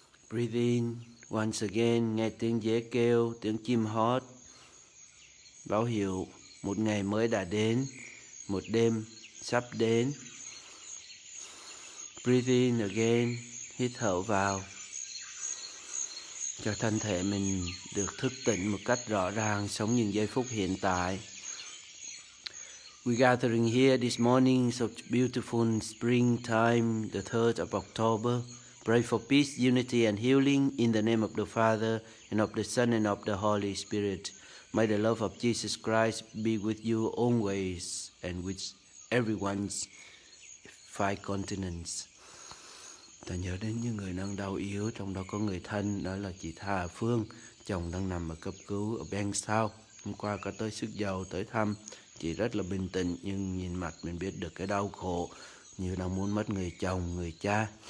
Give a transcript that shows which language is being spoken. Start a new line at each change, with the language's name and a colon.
English: Breathe in. Once again,
Vietnamese: nghe tiếng dế kêu, tiếng chim hót, báo hiệu một ngày mới đã đến, một đêm sắp đến.
English: Breathe in again,
Vietnamese: hít thở vào, cho thân thể mình được thức tỉnh một cách rõ ràng, sống những giây phút hiện tại.
English: We gathering here this morning, such beautiful springtime, the 3rd of October. Pray for peace, unity, and healing in the name of the Father, and of the Son, and of the Holy Spirit. May the love of Jesus Christ be with you always and with everyone's 5 continents.
Vietnamese: Ta nhớ đến những người đang đau yếu, trong đó có người thân, đó là chị Tha Phương, chồng đang nằm ở cấp cứu ở Bangsawe. Hôm qua có tới sức dầu tới thăm, chị rất là bình tĩnh, nhưng nhìn mặt mình biết được cái đau khổ, như đang muốn mất người chồng, người cha.